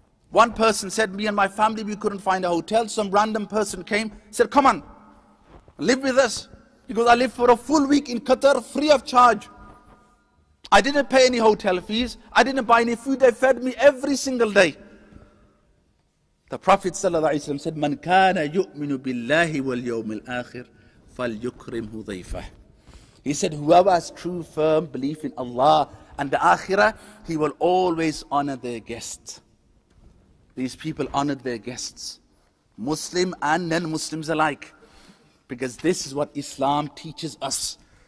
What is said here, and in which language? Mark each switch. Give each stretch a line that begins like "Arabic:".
English: One person said, me and my family, we couldn't find a hotel. Some random person came, said, come on, live with us. Because I lived for a full week in Qatar, free of charge. I didn't pay any hotel fees. I didn't buy any food. They fed me every single day. The Prophet ﷺ said,
Arabic: من كان يؤمن بالله واليوم الآخر فليكرمه ضيفه.
English: He said, whoever has true, firm belief in Allah and the Akhirah, he will always honor their guests. These people honored their guests, Muslim and non-Muslims alike, because this is what Islam teaches us.